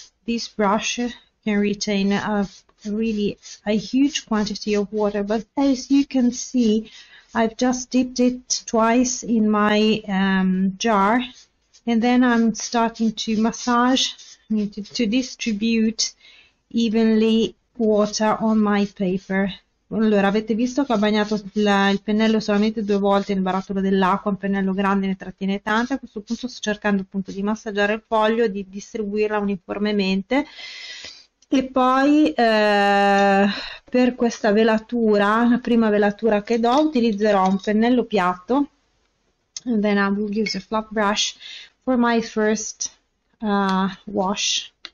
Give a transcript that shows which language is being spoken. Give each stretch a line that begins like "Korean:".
English: This brush can retain a huge quantity of water, but as you can see, I've just dipped it twice in my jar, and then I'm starting to massage to distribute evenly water on my paper.
Italian: Allora, avete visto che ho bagnato il pennello solamente due volte, il barattolo dell'acqua, un pennello grande ne trattiene tante. A questo punto sto cercando appunto di massaggiare il foglio, di distribuirla uniformemente. E poi per questa velatura, la prima velatura che do, utilizzerò un pennello piatto.
English: And then I will use a flat brush for my first wash.